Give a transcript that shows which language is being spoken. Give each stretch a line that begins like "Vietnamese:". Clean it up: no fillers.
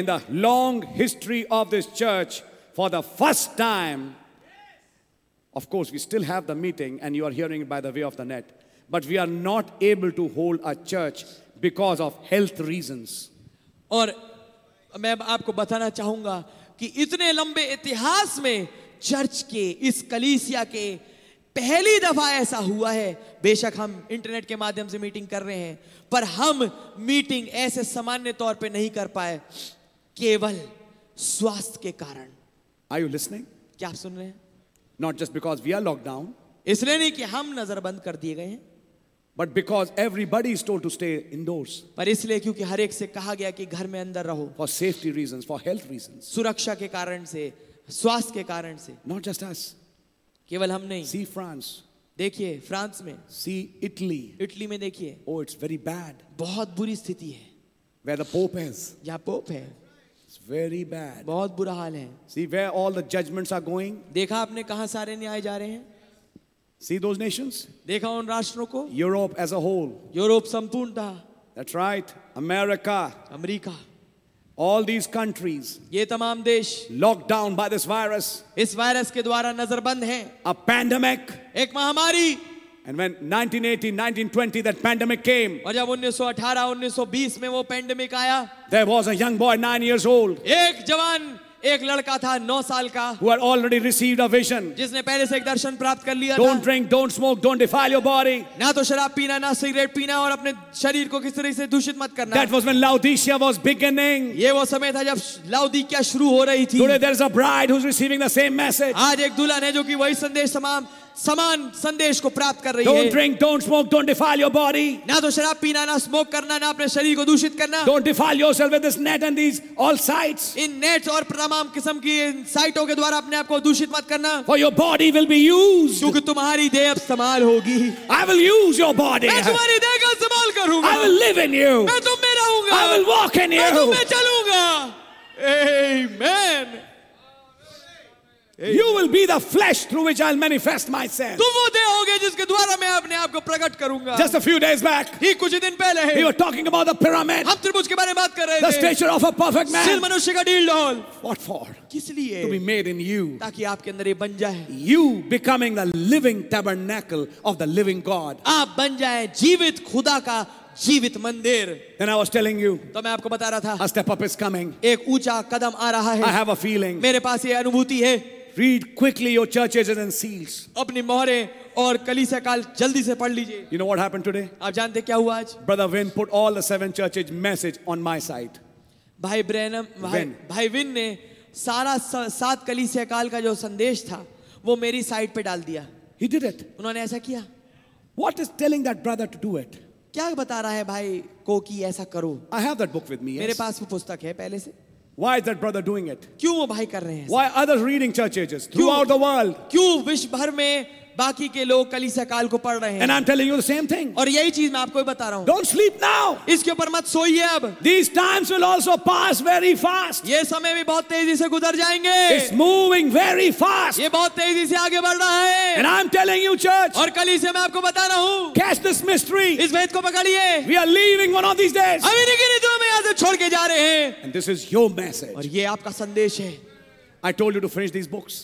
English: In the long history of this church, for the first time, of course, we still have the meeting and you are hearing it by the way of the net. But we are not able to hold a church because of health reasons.
Hindi: और मैं आपको बताना चाहूंगा कि इतने लंबे इतिहास में चर्च के इस कलीसिया के पहली दफा ऐसा हुआ है बेशक हम इंटरनेट के माध्यम से मीटिंग कर रहे हैं पर हम मीटिंग ऐसे सामान्य तौर पर नहीं कर पाए केवल स्वास्थ्य के कारण
English: Are you listening?
Hindi: क्या आप सुन रहे हैं
English: Not just because we are locked down.
Hindi: इसलिए नहीं कि हम नजरबंद कर दिए गए हैं
English: But because everybody is told to stay indoors.
Hindi: पर इसलिए क्योंकि हर एक से कहा गया कि घर में अंदर रहो.
English: For safety reasons, for health reasons.
Hindi: सुरक्षा के कारण से, स्वास्थ्य के कारण से.
English: Not just us.
Hindi: केवल हम नहीं.
English: See France.
Hindi: देखिए फ्रांस में.
English: See Italy.
Hindi: इटली में देखिए.
English: Oh, it's very bad.
Hindi: बहुत बुरी स्थिति है.
English: Where the Pope is.
Hindi: यहाँ पोप है.
English: It's very bad.
Hindi: बहुत बुरा हाल है.
English: See where all the judgments are going.
Hindi: देखा आपने कहाँ सारे न्याय जा रहे हैं?
English: See those nations?
Hindi: देखा उन राष्ट्रों को?
English: Europe as a whole.
Hindi: Europe संपूर्णता.
English: That's right. America.
Hindi: America.
English: All these countries.
Hindi: ये तमाम देश.
English: Locked down by this virus.
Hindi: इस वायरस के द्वारा नजरबंद हैं.
English: A pandemic.
Hindi: एक महामारी.
English: And when 1918, 1920 that pandemic came.
Hindi: और जब 1918, 1920 में वो पैंडेमिक आया.
English: There was a young boy 9 years old.
Hindi: एक जवान. एक लड़का था 9 साल का
English: who had already received a vision.
Hindi: जिसने पहले से एक दर्शन प्राप्त कर लिया
English: don't drink, don't smoke, don't defile your body.
Hindi: ना तो शराब पीना ना सिगरेट पीना और अपने शरीर को किस तरह से दूषित मत करना
English: That was when Laodicea was beginning.
Hindi: ये वो समय था जब लाओदीकिया शुरू हो रही थी
English: Today there is a bride who's receiving the same message.
Hindi: आज एक दुल्हन है जो कि वही संदेश समान संदेश को प्राप्त कर रही है
English: Don't drink, don't smoke, don't defile your body.
Hindi: ना तो शराब पीना ना स्मोक करना ना अपने शरीर को दूषित करना
English: Don't defile yourself with this net and these all sites.
Hindi: In nets और तमाम किस्म की इन साइटों के द्वारा अपने आप को दूषित मत करना
English: For your body will be used.
Hindi: क्योंकि तुम्हारी देह अब इस्तेमाल होगी
English: I will use your body.
Hindi: मैं तुम्हारी देह का इस्तेमाल करूंगा
English: I will live in you.
Hindi: मैं तुम में रहूंगा
English: I will walk in you.
Hindi: मैं तुम में चलूंगा Amen.
English: You will be the flesh through which I'll manifest myself.
Hindi: तुम वो देह होगे जिसके द्वारा मैं अपने आप को प्रकट करूंगा.
English: Just a few days back.
Hindi: ही कुछ दिन पहले.
English: We were talking about the pyramid.
Hindi: हम त्रिभुज के बारे में बात कर रहे थे.
English: The stature of a perfect man.
Hindi: सिर मनुष्य का डील डॉल.
English: What for?
Hindi: किस लिए?
English: To be made in you.
Hindi: ताकि आपके अंदर ये बन जाए.
English: You becoming the living tabernacle of the living God.
Hindi: आप बन जाए जीवित खुदा का जीवित मंदिर
English: Then I was telling you,
Hindi: तो मैं आपको बता रहा था.
English: A step up is coming.
Hindi: एक ऊंचा कदम आ रहा है.
English: I have a feeling.
Hindi: मेरे पास ये अनुभूति है.
English: Read quickly your churches and seals.
Hindi: अपनी मोहरे और कलीसिया काल जल्दी से पढ़ लीजिए.
English: You know what happened today?
Hindi: आप जानते क्या हुआ आज?
English: Brother Vin put all the 7 churches message on my site.
Hindi: भाई ब्रैनम भाई विन ने सारा सात कलीसिया काल का जो संदेश था वो मेरी साइट पे डाल दिया.
English: He did it.
Hindi: उन्होंने ऐसा किया.
English: What is telling that brother to do it?
Hindi: क्या बता रहा है भाई को कि ऐसा करो.
English: I have that book with me.
Hindi: मेरे पास वो पुस्तक है पहले से.
English: Why is that brother doing it?
Hindi: क्यों वो भाई कर रहे हैं?
English: Why others reading church ages throughout the world?
Hindi: क्यों विश्व भर में बाकी के लोग कलीसिया काल को पढ़ रहे हैं?
English: And I'm telling you the same thing.
Hindi: और यही चीज मैं आपको भी बता रहा हूँ.
English: Don't sleep now.
Hindi: इसके ऊपर मत सोइए अब.
English: These times will also pass very fast.
Hindi: ये समय भी बहुत तेजी से गुजर जाएंगे.
English: It's moving very fast.
Hindi: ये बहुत तेजी से आगे बढ़ रहा है.
English: And I'm telling you, church.
Hindi: और कलीसिया मैं आपको बता रहा हूँ.
English: Catch this mystery.
Hindi: इस भेद को पकड़िए.
English: We are leaving one of these days.
Hindi: अभी निकले तो हम यहाँ से छोड़ के जा रहे हैं.
English: And this is your message.
Hindi: और ये आपका संदेश है.
English: I told you to finish these books.